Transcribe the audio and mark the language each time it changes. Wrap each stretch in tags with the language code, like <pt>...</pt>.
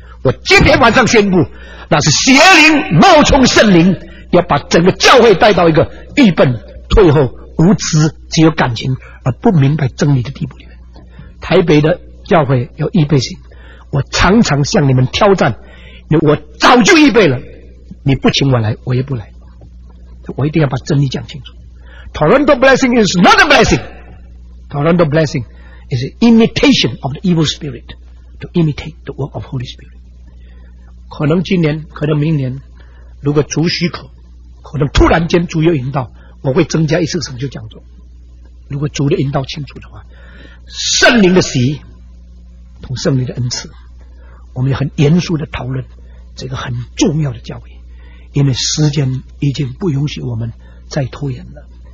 <zh>我今天晚上宣布，那是邪灵冒充圣灵，要把整个教会带到一个愚笨退后无知只有感情而不明白真理的地步里面。台北的教会有预备性，我常常向你们挑战，我早就预备了，你不请我来我也不来，我一定要把真理讲清楚。</zh> <en>Toronto blessing is not a blessing. Toronto blessing is an imitation of the evil spirit to imitate the work of Holy Spirit.</en> <zh>可能今年可能明年，如果主许可，可能突然间主有引导，我会增加一次神学讲座。如果主的引导清楚的话，圣灵的洗同圣灵的恩赐，我们很严肃的讨论这个很重要的教义，因为时间已经不允许我们再拖延了。</zh>